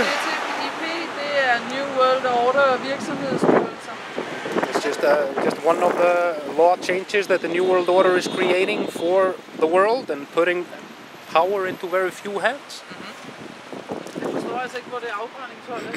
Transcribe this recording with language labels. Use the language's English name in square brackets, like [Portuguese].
[Danish] TTIP, det er [English] new world order [Danish] virksomhedsstyrelser. [English] It's just one of the law changes that the new world order is creating for the world and putting power into very few hands. [Danish] Jeg forstår altså ikke, hvor det er afbrænding for at lade